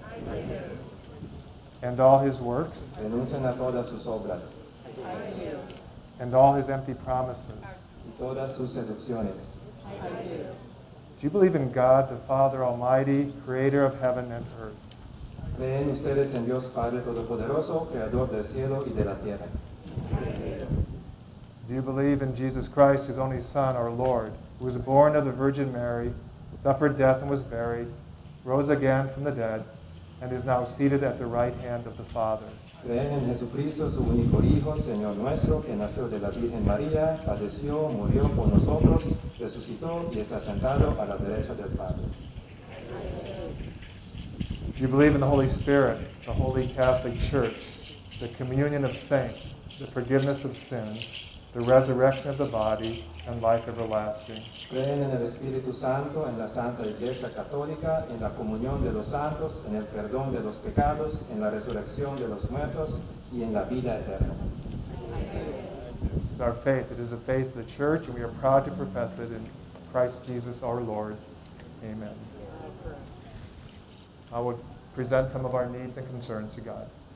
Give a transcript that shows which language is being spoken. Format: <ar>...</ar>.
<en>I do. And all his works?</en> <es>Renuncien a todas sus obras.</es> <en>I do. And all his empty promises.</en> <es>Y todas sus seducciones.</es> <en>I do. Do you believe in God, the Father Almighty, creator of heaven and earth?</en> <es>¿Creen ustedes en Dios Padre Todopoderoso, creador del cielo y de la tierra?</es> <en>I do. Do you believe in Jesus Christ, his only Son, our Lord, who was born of the Virgin Mary, suffered death and was buried, rose again from the dead, and is now seated at the right hand of the Father?</en> <es>Creen en Jesucristo, su único Hijo, Señor nuestro, que nació de la Virgen María, padeció, murió por nosotros, resucitó y está sentado a la derecha del Padre.</es> <en>Do you believe in the Holy Spirit, the Holy Catholic Church, the communion of saints, the forgiveness of sins, the resurrection of the body, and life everlasting?</en> <es>Creen en el Espíritu Santo, en la Santa Iglesia Católica, en la comunión de los santos, en el perdón de los pecados, en la resurrección de los muertos, y en la vida eterna.</es> <en>is our faith. It is the faith of the church, and we are proud to profess it in Christ Jesus our Lord. Amen. I will present some of our needs and concerns to God.</en>